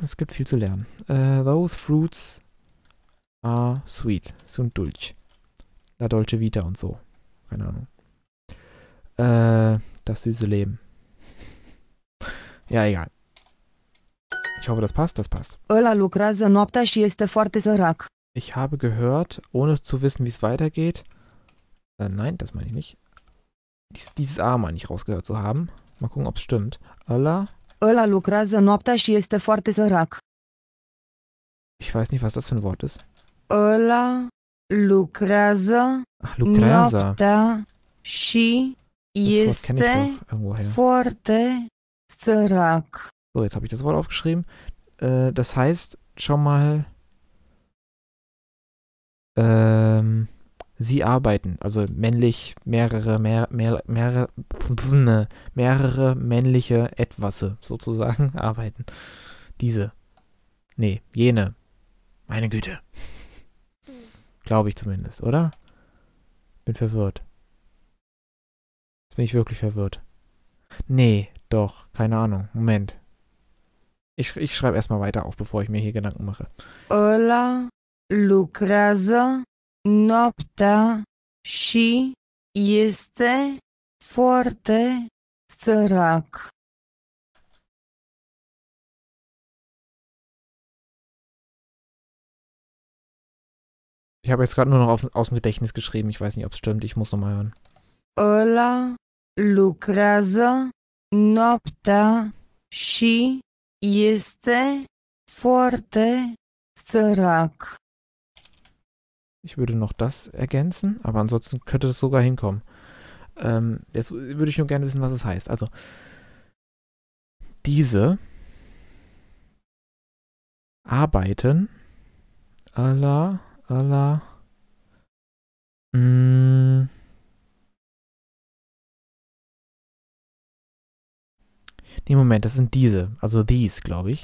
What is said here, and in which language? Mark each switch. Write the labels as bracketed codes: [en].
[de] Es gibt viel zu lernen. [en] Those fruits are sweet. [ro] Sunt dulci. [it] La dolce vita [de] und so. Keine Ahnung. Das süße Leben. Ja, egal. Ich hoffe, das passt, das passt. [ro] Ăla lucrează noaptea și este foarte sărac. [de] Ich habe gehört, ohne zu wissen, wie es weitergeht. Nein, das meine ich nicht. Dieses A meine ich rausgehört zu haben. Mal gucken, ob es stimmt. Alla. [ro] Ăla lucrează noaptea și este foarte sărac. [de] Ich weiß nicht, was das für ein Wort ist. [ro] Ăla lucrează [de] Ach, Lucreza. [ro] noaptea și [de] Das Wort kenne ich [ro] este [de] doch irgendwoher. [ro] foarte sărac. [de] So, jetzt habe ich das Wort aufgeschrieben. Das heißt schon mal. Sie arbeiten, also männlich, mehrere männliche Etwasse sozusagen arbeiten. Diese. Nee, jene. Meine Güte. Glaube ich zumindest, oder? Bin verwirrt. Jetzt bin ich wirklich verwirrt. Nee, doch, keine Ahnung. Moment. Ich schreibe erstmal weiter auf, bevor ich mir hier Gedanken mache. [ro] Ăla lucrează noaptea și este foarte sărac. [de] Ich habe jetzt gerade nur noch aus dem Gedächtnis geschrieben. Ich weiß nicht, ob es stimmt. Ich muss nochmal hören. [ro] Ăla lucrează noaptea și este foarte sărac. [de] Ich würde noch das ergänzen, aber ansonsten könnte das sogar hinkommen. Jetzt würde ich nur gerne wissen, was es heißt. Also, diese arbeiten aller Nee, Moment, das sind diese, also these, glaube ich.